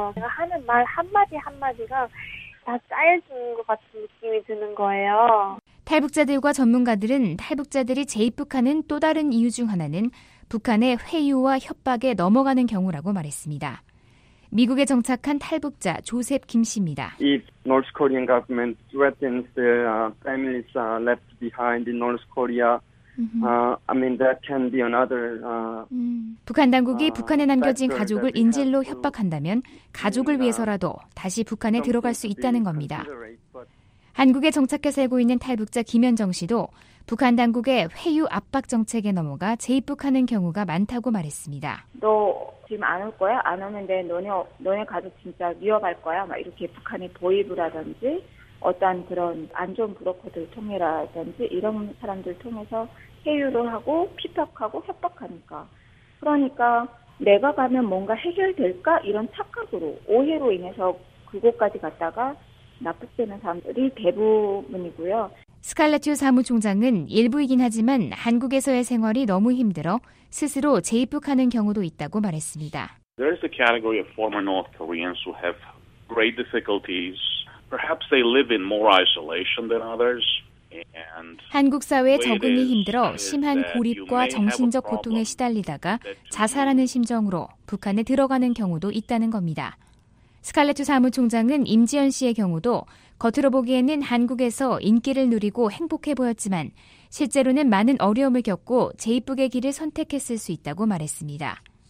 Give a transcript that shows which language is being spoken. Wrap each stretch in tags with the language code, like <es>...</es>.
<ko>제가 하는 말 한마디 한마디가 다 짜여진 것 같은 느낌이 드는 거예요. 탈북자들과 전문가들은 탈북자들이 재입국하는 또 다른 이유 중 하나는 북한의 회유와 협박에 넘어가는 경우라고 말했습니다. 미국에 정착한 탈북자 조셉 김 씨입니다.</ko> <en>If North Korean government threatens their families left behind in North Korea, that can be another.</en> <ko>북한 당국이 북한에 남겨진 가족을 인질로 협박한다면 가족을 위해서라도 다시 북한에 들어갈 수 있다는 겁니다. 한국에 정착해 살고 있는 탈북자 김현정 씨도 북한 당국의 회유 압박 정책에 넘어가 재입국하는 경우가 많다고 말했습니다. 너 지금 안 올 거야? 안 오는데 너네 가족 진짜 위협할 거야? 막 이렇게 북한에 보이부라든지 어떤 그런 안 좋은 브로커들 통해라든지 이런 사람들 통해서 회유를 하고 피폭하고 협박하니까. 그러니까 내가 가면 뭔가 해결될까? 이런 착각으로 오해로 인해서 그곳까지 갔다가 납북되는 사람들이 대부분이고요. 스칼라튜 사무총장은 일부이긴 하지만 한국에서의 생활이 너무 힘들어 스스로 재입국하는 경우도 있다고 말했습니다.</ko> <en>There is a category of former North Koreans who have great difficulties. Perhaps they live in more isolation than others.</en> <ko>한국 사회의 적응이 힘들어 심한 고립과 정신적 고통에 시달리다가 자살하는 심정으로 북한에 들어가는 경우도 있다는 겁니다. 스칼레트 사무총장은 임지연 씨의 경우도 겉으로 보기에는 한국에서 인기를 누리고 행복해 보였지만 실제로는 많은 어려움을 겪고 재입국의 길을 선택했을 수 있다고 말했습니다.</ko>